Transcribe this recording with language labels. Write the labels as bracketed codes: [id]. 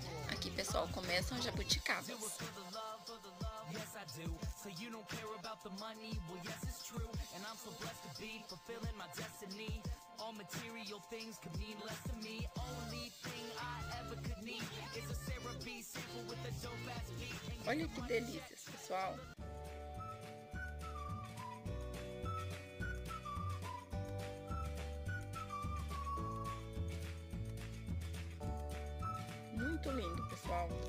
[pt] Aqui, pessoal, começam as jabuticabas. [en] Yes, I do. So you don't care about the money? Well, yes, it's true. And I'm so blessed to be fulfilling my destiny. All material things could mean less to me. Only thing I ever could need is a Sarah B sample with a dope ass beat. [pt] Olha que delícias, pessoal. Muito lindo, pessoal.